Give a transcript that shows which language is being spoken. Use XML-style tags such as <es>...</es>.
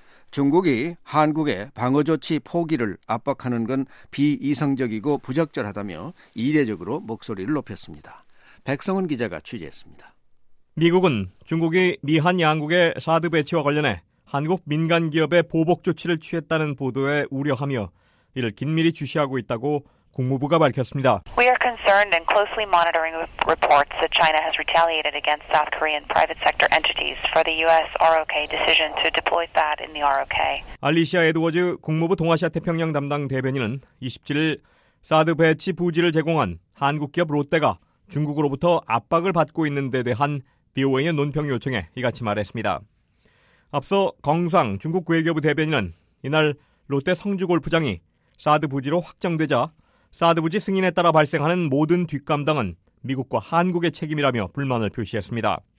<ko>중국이 한국의 방어 조치 포기를 압박하는 건 비이성적이고 부적절하다며 이례적으로 목소리를 높였습니다. 백성은 기자가 취재했습니다. 미국은 중국이 미한 양국의 사드 배치와 관련해 한국 민간 기업의 보복 조치를 취했다는 보도에 우려하며 이를 긴밀히 주시하고 있다고 국무부가 밝혔습니다.</ko> <en>We are concerned and closely monitoring reports that China has retaliated against South Korean private sector entities for the U.S. ROK decision to deploy that in the ROK.</en> <ko>알리시아 에드워즈 국무부 동아시아 태평양 담당 대변인은 27일 사드 배치 부지를 제공한 한국 기업 롯데가 중국으로부터 압박을 받고 있는 데 대한 BOA의 논평 요청에 이같이 말했습니다. 앞서 경상 중국 외교부 대변인은 이날 롯데 성주 골프장이 사드 부지로 확정되자 사드 부지 승인에 따라 발생하는 모든 뒷감당은 미국과 한국의 책임이라며 불만을 표시했습니다.</ko>